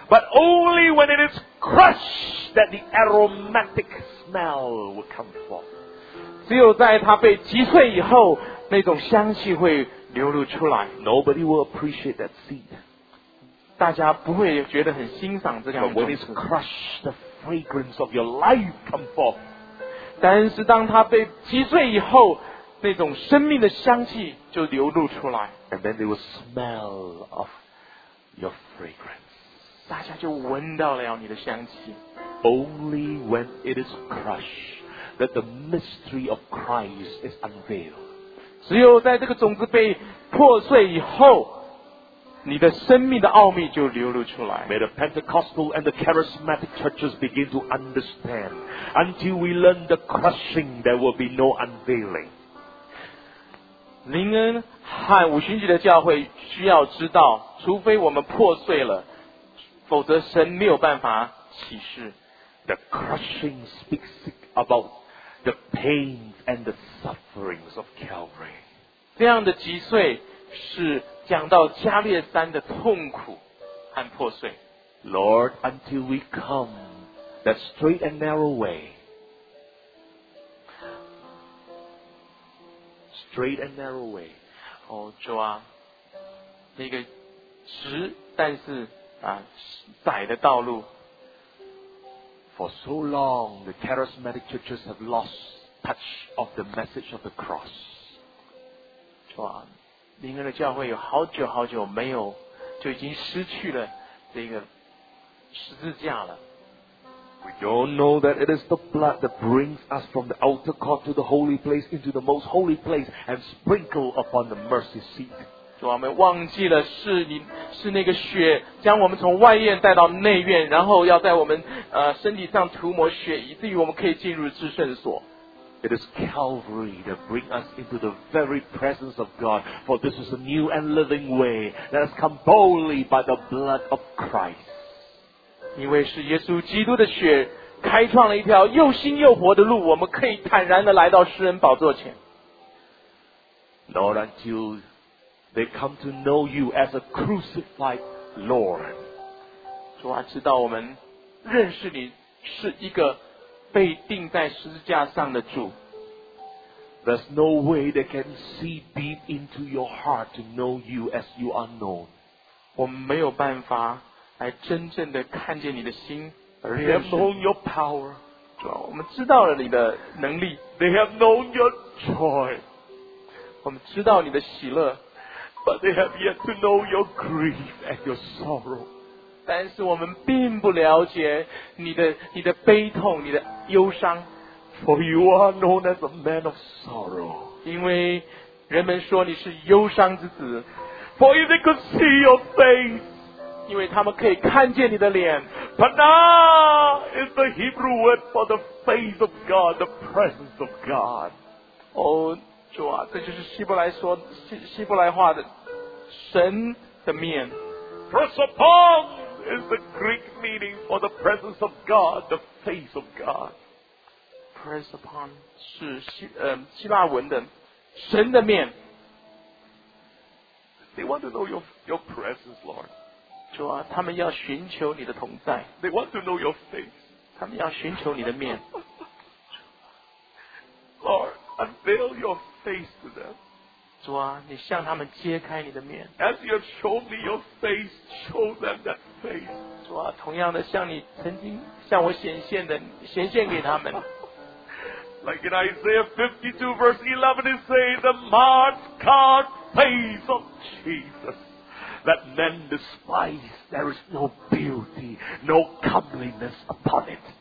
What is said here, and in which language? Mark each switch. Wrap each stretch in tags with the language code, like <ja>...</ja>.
<en>But only when it is crushed that the aromatic smell will come forth.</en> <zh>只有在它被击碎以后，那种香气会流露出来。</zh> <en>Nobody will appreciate that seed.</en> <zh>大家不会觉得很欣赏这样的东西。</zh> <en>But when it's crushed, the fragrance of your life come forth.</en> <zh>但是当它被击碎以后，那种生命的香气就流露出来。</zh> <en>And then they will smell of your fragrance.</en> <zh>大家就闻到了你的香气。</zh> <en>Only when it is crushed that the mystery of Christ is unveiled.</en> <zh>只有在这个种子被破碎以后，你的生命的奥秘就流露出来。</zh> <en>May the Pentecostal and the Charismatic churches begin to understand. Until we learn the crushing, there will be no unveiling.</en> <zh>灵恩和五旬节的教会需要知道，除非我们破碎了，否则神没有办法启示。</zh> <en>The crushing speaks about the pains and the sufferings of Calvary.</en> <zh>这样的击碎是讲到加列山的痛苦和破碎。</zh> <en>Lord, until we come that straight and narrow way, straight and narrow way.</en> <zh>哦，主啊，那个直但是啊窄的道路。</zh> <en>For so long, the charismatic churches have lost touch of the message of the cross.</en> <zh>主啊。灵恩的教会有好久好久没有，就已经失去了这个十字架了。</zh> <en>We don't know that it is the blood that brings us from the outer court to the holy place into the most holy place and sprinkle upon the mercy seat.</en> <zh>主啊，我们忘记了是你是那个血将我们从外院带到内院，然后要在我们身体上涂抹血，以至于我们可以进入至圣所。</zh> <en>It is Calvary that brings us into the very presence of God. For this is a new and living way that has come boldly by the blood of Christ.</en> <zh>因为是耶稣基督的血开创了一条又新又活的路，我们可以坦然地来到诗人宝座前。</zh> <en>Lord, until they come to know you as a crucified Lord.</en> <zh>主啊，知道我们认识你是一个被钉在十字架上的主。</zh> <en>There's no way they can see deep into your heart to know you as you are known.</en> <zh>我们没有办法来真正的看见你的心。</zh> <en>They have known your power.</en> <zh>主啊，我们知道了你的能力。</zh> <en>They have known your joy.</en> <zh>我们知道你的喜乐。</zh> <en>But they have yet to know your grief and your sorrow.</en> <zh>但是我们并不了解你的悲痛，你的忧伤。</zh> <en>For you are known as a man of sorrow.</en> <zh>因为人们说你是忧伤之子。</zh> <en>For if they could see your face.</en> <zh>因为他们可以看见你的脸。</zh> <en>Pana is the Hebrew word for the face of God, the presence of God.</en> <zh>哦，主啊，这就是希伯来话的神的面。</zh> <en>Prosopon is the Greek meaning for the presence of God, the face of God.</en> <zh>Press upon 是希腊文的神的面。</zh> <en>They want to know your presence, Lord.</en> <zh>主啊，他们要寻求你的同在。</zh> <en>They want to know your face.</en> <zh>他们要寻求你的面。</zh> <en>Lord, unveil your face to them.</en> <zh>主啊，你向他们揭开你的面。</zh> <en>As you have shown me your face, show them that face.</en> <zh>主啊，同样的，像你曾经向我显现给他们。</zh> <en>Like in Isaiah 52 verse 11, it says, "The marred, scarred face of Jesus, that men despise. There is no beauty, no comeliness upon it."</en>